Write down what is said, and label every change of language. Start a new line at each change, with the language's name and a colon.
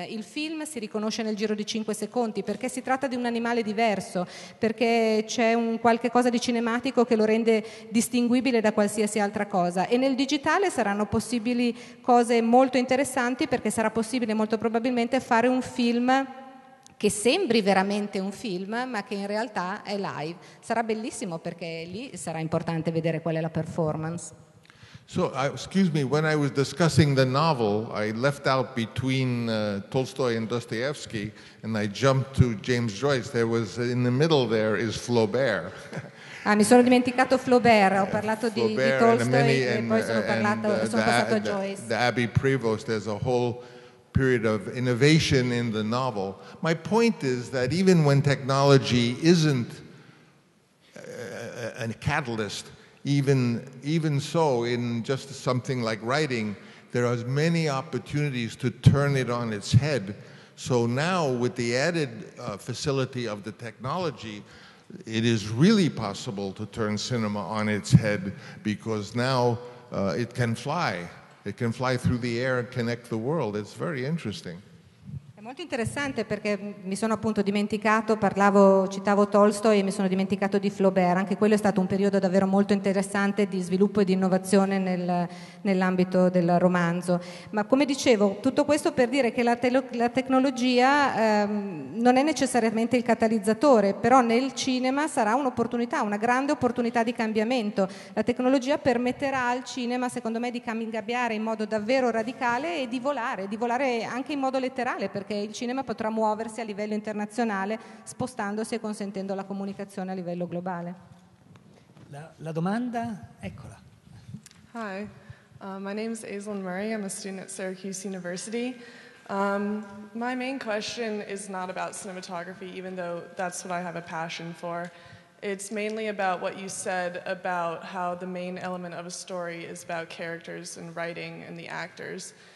Italian: Il film si riconosce nel giro di 5 secondi perché si tratta di un animale diverso, perché c'è un qualche cosa di cinematico che lo rende distinguibile da qualsiasi altra cosa. E nel digitale saranno possibili cose molto interessanti, perché sarà possibile molto probabilmente fare un film che sembri veramente un film, ma che in realtà è live. Sarà bellissimo, perché lì sarà importante vedere qual è la performance.
English: So, excuse me, when I was discussing the novel, I left out between Tolstoy and Dostoevsky, and I jumped to James Joyce. There was, in the middle there is Flaubert.
Italian: Ah, mi sono dimenticato Flaubert, ho parlato Flaubert, di Tolstoy, e poi sono passato a Joyce.
English: The Abbey Prevost, there's a whole period of innovation in the novel. My point is that even when technology isn't a catalyst, even so, in just something like writing, there are many opportunities to turn it on its head. So now, with the added facility of the technology, it is really possible to turn cinema on its head, because now it can fly. It can fly through the air and connect the world. It's very interesting.
Italian: È molto interessante, perché mi sono appunto dimenticato, citavo Tolstoy e mi sono dimenticato di Flaubert. Anche quello è stato un periodo davvero molto interessante di sviluppo e di innovazione nell'ambito del romanzo. Ma come dicevo, tutto questo per dire che la tecnologia non è necessariamente il catalizzatore, però nel cinema sarà un'opportunità, una grande opportunità di cambiamento. La tecnologia permetterà al cinema, secondo me, di cambiare in modo davvero radicale e di volare anche in modo letterale, perché il cinema potrà muoversi a livello internazionale, spostandosi e consentendo la comunicazione a livello globale. La domanda, eccola.
English: Hi. My name is Aislinn Murray. I'm a student at Syracuse University. My main question is not about cinematography, even though that's what I have a passion for. It's mainly about what you said about how the main element of a story is about characters and writing and the actors.